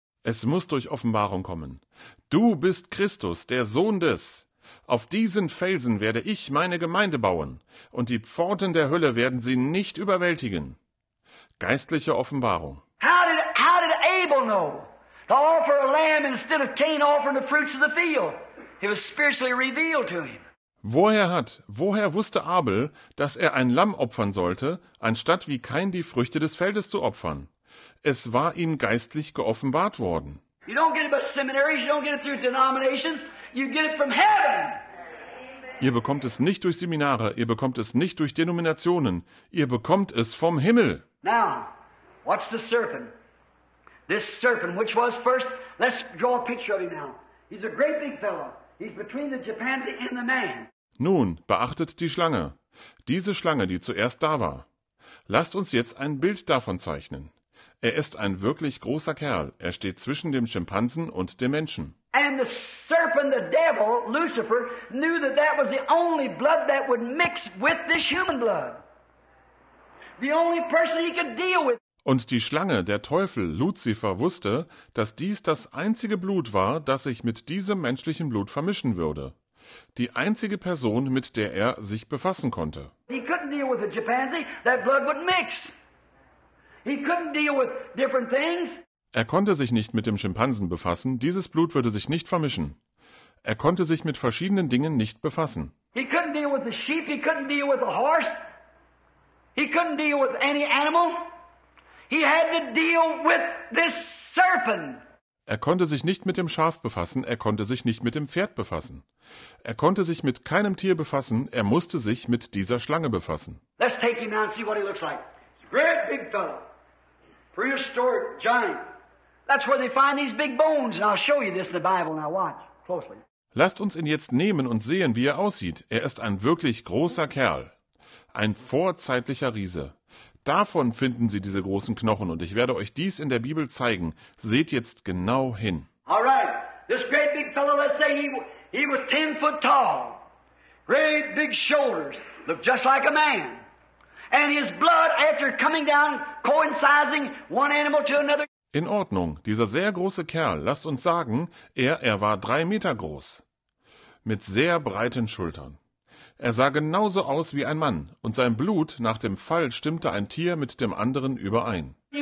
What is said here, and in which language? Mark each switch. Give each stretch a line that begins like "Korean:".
German: Es muss durch Offenbarung kommen. Du bist Christus, der Sohn des. Auf diesen Felsen werde ich meine Gemeinde bauen, und die Pforten der Hölle werden sie nicht überwältigen. Geistliche Offenbarung.
English: How did Abel know to offer a lamb instead of Cain offering the fruits of the field? It was spiritually revealed to him.
German: Woher wusste Abel, dass er ein Lamm opfern sollte, anstatt wie Cain die Früchte des Feldes zu opfern? Es war ihm geistlich geoffenbart worden.
English: You don't get it by seminaries, you don't get it through denominations. You get it from heaven.
German: Ihr bekommt es nicht durch Seminare, ihr bekommt es nicht durch Denominationen, ihr bekommt es vom Himmel.
English: Now, what's the serpent? This serpent, which was first, let's draw a picture of him now. He's a great big fellow. He's between the chimpanzee and the man.
German: Nun, beachtet die Schlange. Diese Schlange, die zuerst da war. Lasst uns jetzt ein Bild davon zeichnen. Er ist ein wirklich großer Kerl. Er steht zwischen dem Schimpansen und dem Menschen.
English: And the serpent, the devil, Lucifer, knew that that was the only blood that would mix with this human blood. The only person he could deal with.
German: Und die Schlange, der Teufel, Luzifer, wusste, dass dies das einzige Blut war, das sich mit diesem menschlichen Blut vermischen würde. Die einzige Person, mit der er sich befassen konnte.
English: He couldn't deal with a chimpanzee, that blood wouldn't mix. He couldn't deal with different things.
German: Er konnte sich nicht mit dem Schimpansen befassen, dieses Blut würde sich nicht vermischen. Er konnte sich mit verschiedenen Dingen nicht befassen.
English: He couldn't deal with the sheep, he couldn't deal with the horse. He couldn't deal with any animal. He had to deal with this serpent.
German: Er konnte sich nicht mit dem Schaf befassen, er konnte sich nicht mit dem Pferd befassen. Er konnte sich mit keinem Tier befassen, er musste sich mit dieser Schlange befassen.
English: Let's take him now and see what he looks like. Great big fellow. Prehistoric giant. That's where they find these big bones. And I'll show you this in the Bible. Now watch closely.
German: Lasst uns ihn jetzt nehmen und sehen, wie er aussieht. Er ist ein wirklich großer Kerl. Ein vorzeitlicher Riese. Davon finden Sie diese großen Knochen und ich werde euch dies in der Bibel zeigen. Seht jetzt genau hin. All right. This great big fellow, let's say he was 10 foot tall. Great big shoulders. Look just like a man. And his blood after coming down coinciding one animal to another. In Ordnung, dieser sehr große Kerl, lasst uns sagen, er war 3 Meter groß, mit sehr breiten Schultern. Er sah genauso aus wie ein Mann, und sein Blut nach dem Fall stimmte ein Tier mit dem anderen überein.